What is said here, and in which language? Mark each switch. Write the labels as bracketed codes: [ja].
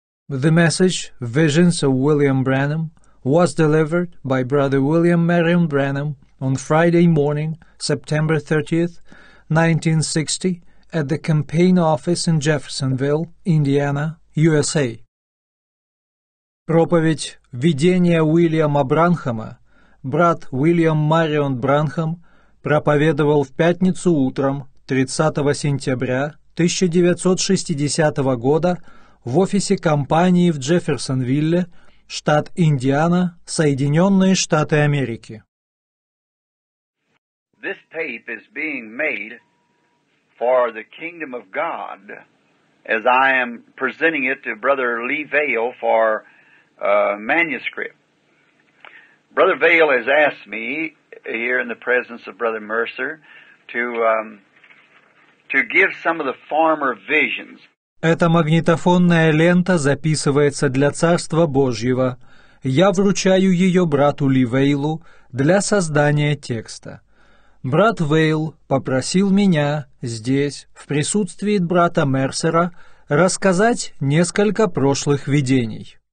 [en] The message, Visions of William Branham, was delivered by Brother Uilljam Marion Branham on Friday morning, September 30th, 1960, at the campaign office in Jeffersonville, Indiana, USA. [ru] Проповедь «Видения Уильяма Бранхама» брат Уильям Маррион Бранхам проповедовал в пятницу утром 30 сентября 1960 года в офисе компании в Джефферсонвилле, штат Индиана, Соединенные Штаты Америки. [en] This tape is being made for the kingdom of God, as I am presenting it to Brother Lee Vail for manuscript. Brother Vail has asked me here in the presence of Brother Mercer to give some of the former visions. [ru] Эта магнитофонная лента записывается для Царства Божьего. Я вручаю ее брату Ли Вейлу для создания текста. Брат Вейл попросил меня здесь, в присутствии брата Мерсера, рассказать несколько прошлых видений.